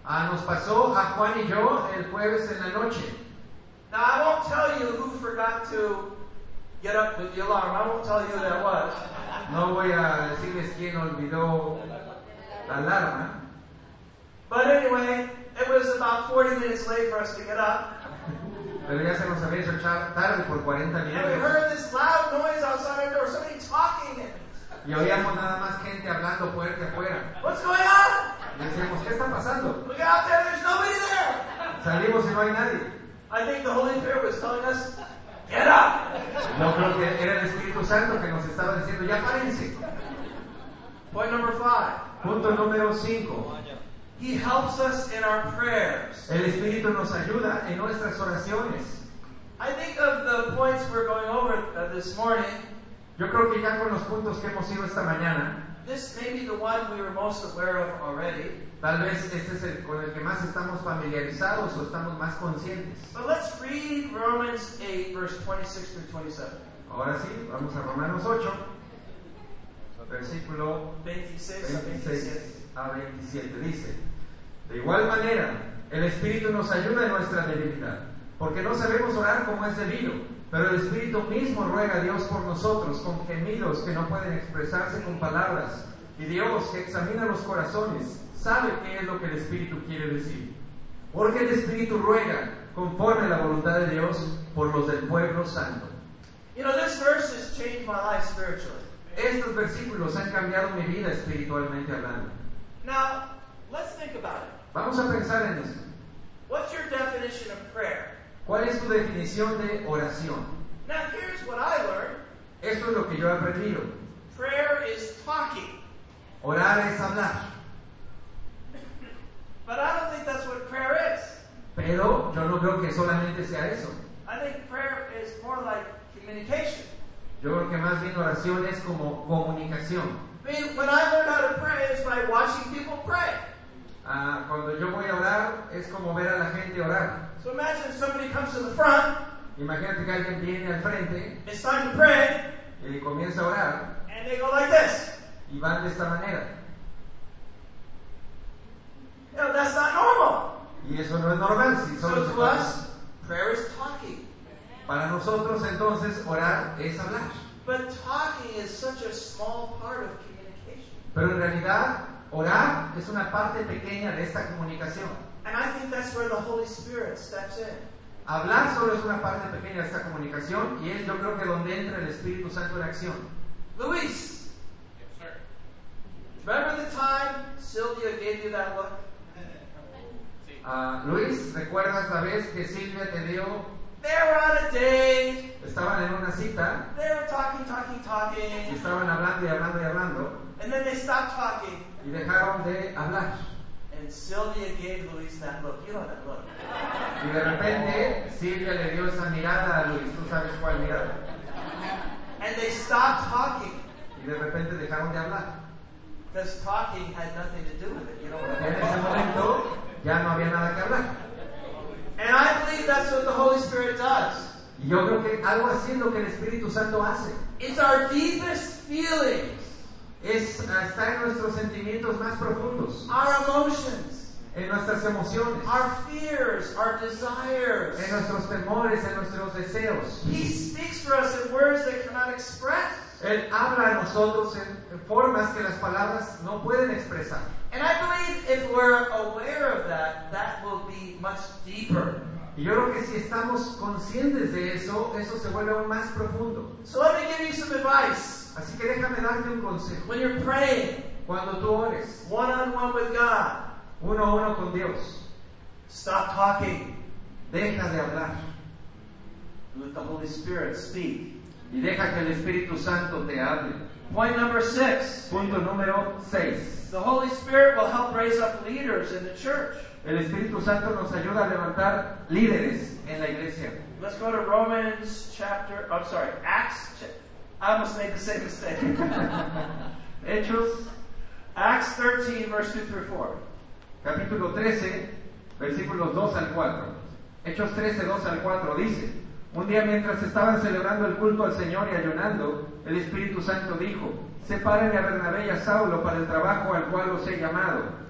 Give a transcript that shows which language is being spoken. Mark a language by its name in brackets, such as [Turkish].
[Spanish] Nos pasó a Juan y yo el jueves en la noche. [English] Now I won't tell you who forgot to get up with the alarm. I won't tell you who that was. [Spanish] No voy a decirles quién olvidó la alarma. [English] But anyway, it was about 40 minutes late for us to get up. [Spanish] Pero ya se nos había hecho tarde por 40 minutos. [English] And we heard this loud noise outside our door. Somebody talking. [Spanish] Y oíamos nada más gente hablando fuerte afuera. [English] What's going on? [Spanish] Y decíamos, ¿qué está pasando? [English] Look out there, there's nobody there. [Spanish] Salimos y no hay nadie. [English] I think the Holy Spirit was telling us, get up. [Spanish] No creo que era el Espíritu Santo que nos estaba diciendo, ya párense. [English] Point number five. [Spanish] Punto número cinco. [English] He helps us in our prayers. [Spanish] El Espíritu nos ayuda en nuestras oraciones. [English] I think of the points we're going over this morning. [Spanish] Yo creo que ya con los puntos que hemos ido esta mañana. [English] This may be the one we were most aware of already. [Spanish] Tal vez este es con el que más estamos familiarizados o estamos más conscientes. [English] But let's read Romans 8, verse 26 through 27. [Spanish] Ahora sí, vamos a Romanos 8, versículo 26 a 27. Dice, de igual manera, el Espíritu nos ayuda en nuestra debilidad, porque no sabemos orar como es debido. Pero el Espíritu mismo ruega a Dios por nosotros con gemidos que no pueden expresarse con palabras. Y Dios, que examina los corazones, sabe qué es lo que el Espíritu quiere decir. Porque el Espíritu ruega conforme a la voluntad de Dios por los del pueblo santo. [English] You know, this verse has changed my life spiritually. [Spanish] Estos versículos han cambiado mi vida espiritualmente hablando. [English] Now, let's think about it. [Spanish] Vamos a pensar en eso. [English] What's your definition of prayer? [Spanish] ¿Cuál es tu definición de oración? [English] Now, here's what I learned. [Spanish] Esto es lo que yo he aprendido. [English] Prayer is talking. [Spanish] Orar es hablar. [English] But I don't think that's what prayer is. [Spanish] Pero yo no creo que solamente sea eso. [English] I think prayer is more like communication. [Spanish] Yo creo que más bien oración es como comunicación. [English] When I learn how to pray, it's by watching people pray. [Spanish] Cuando yo voy a orar, es como ver a la gente orar. [English] So imagine somebody comes to the front. [Spanish] Imagínate que alguien viene al frente. [English] It's time to pray. [Spanish] Y comienza a orar. [English] And they go like this. [Spanish] Y van de esta manera. [English] No, that's not normal. [Spanish] Y eso no es normal. Si so to normal. [English] Us, prayer is talking. [Spanish] Para nosotros, entonces, orar es hablar. [English] But talking is such a small part of communication. [Spanish] Pero en realidad, orar es una parte pequeña de esta comunicación. [English] And I think that's where the Holy Spirit steps in. [Spanish] Hablar solo es una parte pequeña de esta comunicación y es, yo creo que, donde entra el Espíritu Santo en acción. [English] Luis. Yes, sir. Remember the time Sylvia gave you that look? [Spanish] Luis, ¿recuerdas la vez que Silvia te dio? [English] They were on a date. [Spanish] Estaban en una cita. [English] They were talking. [Spanish] Y estaban hablando. [English] And then they stopped talking. [Spanish] Y dejaron de hablar. [English] And Sylvia gave Luis that look. You know that look. [Spanish] Y de repente, Silvia le dio esa mirada a Luis. Tú sabes cuál mirada. [English] And they stopped talking. [Spanish] Y de repente dejaron de hablar. [English] Because talking had nothing to do with it. You know what I mean? [Spanish] En ese momento, ya no había nada que hablar. [English] And I believe that's what the Holy Spirit does. [Spanish] Yo creo que algo así es lo que el Espíritu Santo hace. [English] It's our deepest feelings. [Spanish] Está en nuestros sentimientos más profundos. [English] Our emotions. [Spanish] En nuestras emociones. [English] Our fears, our desires. [Spanish] En nuestros temores, en nuestros deseos. [English] He speaks for us in words that cannot express. [Spanish] Él habla a nosotros en formas que las palabras no pueden expresar. [English] And I believe if we're aware of that, that will be much deeper. [Spanish] Y yo creo que si estamos conscientes de eso, eso se vuelve aún más profundo. [English] So let me give you some advice. [Spanish] Así que déjame darte un consejo. [English] When you're praying, [Spanish] cuando tú ores, [English] one on one with God, [Spanish] uno a uno con Dios, [English] stop talking. [Spanish] Deja de hablar. [English] Let the Holy Spirit speak. [Spanish] Y deja que el Espíritu Santo te hable. [English] Point number six. [Spanish] Punto número seis. [English] The Holy Spirit will help raise up leaders in the church. [Spanish] El Espíritu Santo nos ayuda a levantar líderes en la iglesia. [English] Let's go to Romans chapter. I'm sorry, Acts. I almost made the same mistake. [Spanish] Hechos. [English] Acts 13, verse 2 through 4. [Spanish] Capítulo 13, versículos 2 al 4. Hechos 13, 2 al 4 dice. Un día mientras estaban celebrando el culto al Señor y ayunando, el Espíritu Santo dijo, sepárenme a Bernabé y a Saulo para el trabajo al cual los he llamado.